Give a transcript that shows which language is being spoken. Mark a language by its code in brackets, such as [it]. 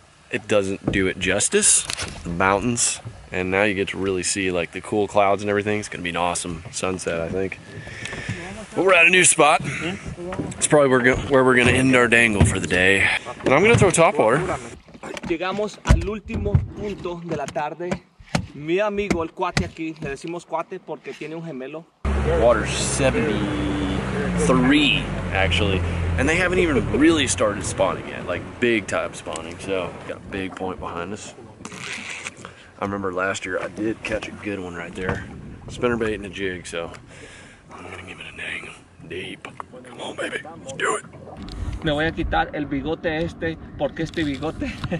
[en] It doesn't do it justice, the mountains. And now you get to really see like the cool clouds and everything. It's gonna be an awesome sunset, I think. But we're at a new spot. It's probably where we're gonna end our dangle for the day. And I'm gonna throw topwater. [es] Llegamos al último punto de la tarde. Mi amigo, el cuate aquí, le decimos cuate porque tiene un gemelo. [en] Water's 73, actually. And they haven't even really started spawning yet, like big time spawning. So, got a big point behind us. I remember last year I did catch a good one right there. Spinnerbait and a jig, so I'm gonna give it a dang deep. Come on, baby, let's do it. [es] Me voy a quitar el bigote este, porque este bigote.